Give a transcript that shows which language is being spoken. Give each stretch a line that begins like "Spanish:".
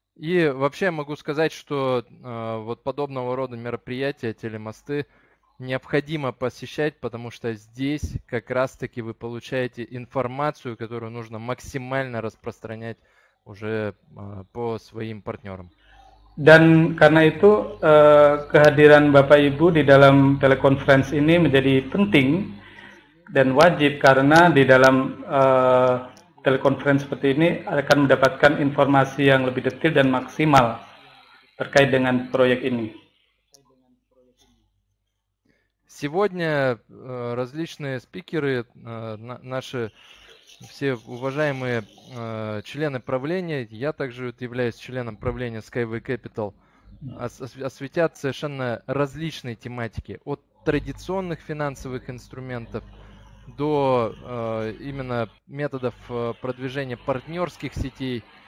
Russian: И вообще могу сказать, что вот подобного рода мероприятия, телемосты, необходимо посещать, потому что здесь как раз-таки вы получаете информацию, которую нужно максимально распространять уже по своим партнерам.
Indonesian: Dan karena itu kehadiran Bapak Ibu di dalam telekonferensi ini menjadi penting dan wajib karena di dalam telekonferensi seperti ini akan mendapatkan informasi yang lebih detail dan maksimal terkait dengan proyek ini.
Russian: Сегодня различные спикеры, наши все уважаемые члены правления, я также вот являюсь членом правления Skyway Capital, осветят совершенно различные тематики, от традиционных финансовых инструментов до именно методов продвижения партнерских сетей.